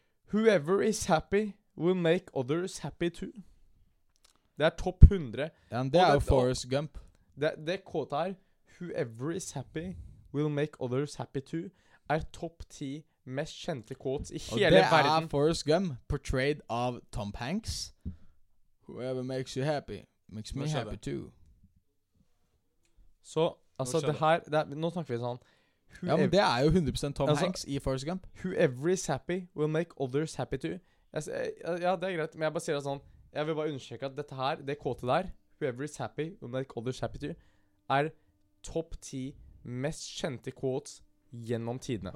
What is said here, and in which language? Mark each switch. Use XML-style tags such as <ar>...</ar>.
<en>Whoever is happy will make others happy too.</en> <no>Det er topp 100. Ja, det er jo Forrest Gump. Det quote her,</no> <en>whoever is happy will make others happy too,</en> <no>er topp 10 mest kjente quotes i hele verden. Og det er Forrest Gump,</no> <en>portrayed</en> <no>av Tom Hanks.</no> <en>Whoever makes you happy makes me happy too.</en> <no>Så, altså det her, nå snakker vi sånn. Ja, men det er jo 100% Tom Hanks i Forrest Gump.</no> <en>Whoever is happy will make others happy too.</en> <no>Ja, det er greit, men jeg bare sier det sånn. Jeg vil bare undersøke at dette her, det quoteet der,</no> <en>whoever is happy will make others happy too,</en> <no>er topp 10 mest kjente quotes gjennom tidene.</no>